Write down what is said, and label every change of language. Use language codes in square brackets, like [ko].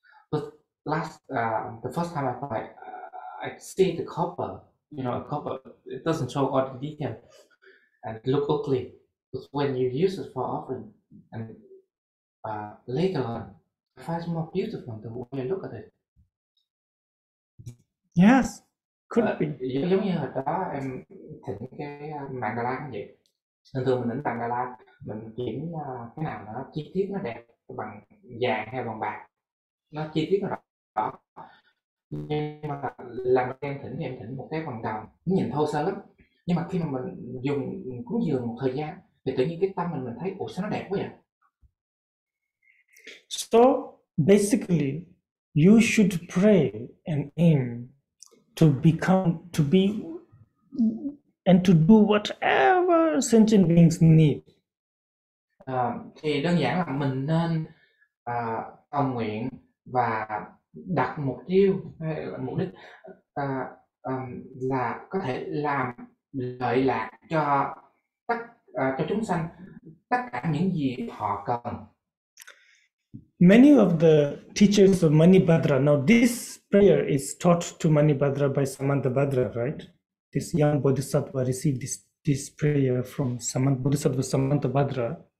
[en] But the first time I buy, I see the copper, you know, a copper, it doesn't show all the detail and it look ugly. But when you use it for offering, and later on, I find it more beautiful the way you look at it. Yes, could be. [vi] Giống như hồi đó em thỉnh cái mạng đà la cũng vậy. Thường thường mình đánh bằng đà la, mình kiếm cái nào nó chi tiết nó đẹp, bằng vàng hay bằng bạc, nó chi tiết nó rõ. Nhưng mà lần đầu tiên thỉnh thì em thỉnh một cái bằng đồng, nhìn thô sơ lắm. Nhưng mà khi mà mình dùng cúng dường một thời gian thì tự nhiên cái tâm mình thấy, ủa sao nó đẹp quá vậy? [en] So basically you should pray and aim to become, to be and to do whatever sentient beings need. [vi] Thì đơn giản là mình nên cầu nguyện và đặt mục tiêu hay là mục đích là có thể làm lợi lạc cho tất cho chúng sanh tất cả những gì họ cần. [en] Many of the teachers of Manibhadra, now this prayer is taught to Manibhadra by Samantabhadra, right? This young Bodhisattva received this prayer from Bodhisattva Samantabhadra.